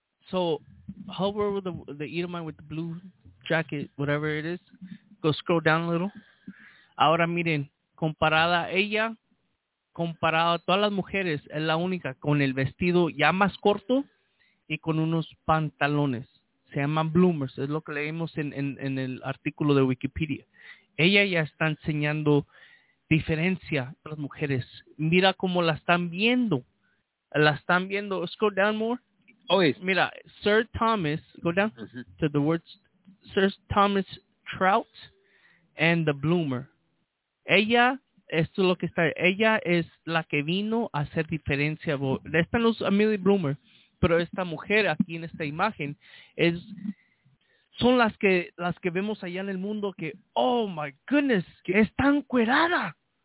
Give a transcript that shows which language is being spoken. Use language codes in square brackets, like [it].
[en] So, hover with the Edomite with the blue jacket, whatever it is. Go scroll down a little. [es] Ahora miren, comparada a ella, comparada a todas las mujeres, es la única con el vestido ya más corto y con unos pantalones. Se llaman bloomers, es lo que leímos en el artículo de Wikipedia. Ella ya está enseñando diferencia a las mujeres. Mira cómo la están viendo. La están viendo. [en] Scroll down more. Always. [es] Mira, [en] Sir Thomas, go down to the words, Sir Thomas Trout and the Bloomer. [es] Ella, esto es lo que está, ella es la que vino a hacer diferencia. Están los Amelia Bloomer, pero esta mujer aquí en esta imagen es, son las que vemos allá en el mundo que, [en] oh my goodness, [es] que está encuerada.